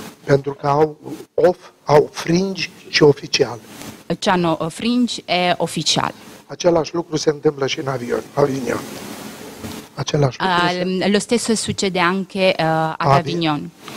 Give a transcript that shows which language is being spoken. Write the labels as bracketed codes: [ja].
[ro] Pentru că au fringi și oficial. [it] Ci hanno fringi e ufficial. [ro] Același lucru se întâmplă și în Avignon. Același lucru. [it] Lo stesso succede anche ad Avignon.